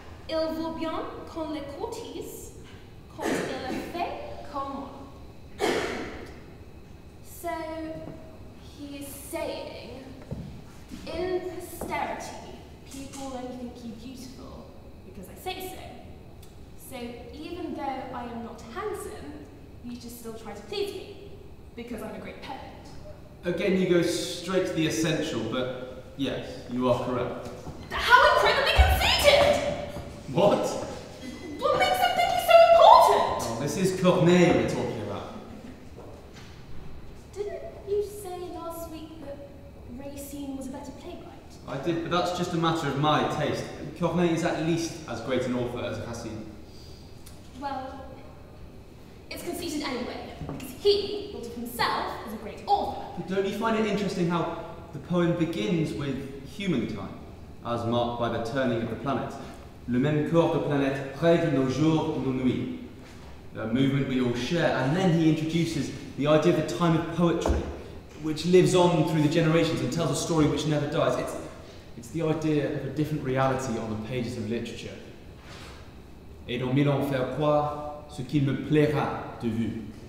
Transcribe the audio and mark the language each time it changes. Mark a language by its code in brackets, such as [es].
[fr] Il vaut bien qu'on le courtise quand il est fait comme moi. [en] So he is saying, in posterity, people only think you beautiful because I say so. So even though I am not handsome, you should still try to please me because I'm a great poet. Again, you go straight to the essential, but yes, you are correct. How incredibly conceited! What? What makes them think you're so important? Oh, this is Corneille we're talking about. Didn't you say last week that Racine was a better playwright? I did, but that's just a matter of my taste. Corneille is at least as great an author as Racine. Well, it's conceited anyway, because he thought of himself as a great author. But don't you find it interesting how the poem begins with human time, as marked by the turning of the planets? [fr] Le même corps de planète règle nos jours et nos nuits. [en] The movement we all share. And then he introduces the idea of the time of poetry, which lives on through the generations and tells a story which never dies. It's the idea of a different reality on the pages of literature. [fr] Et dans mille ans faire croire ce qu'il me plaira de vue.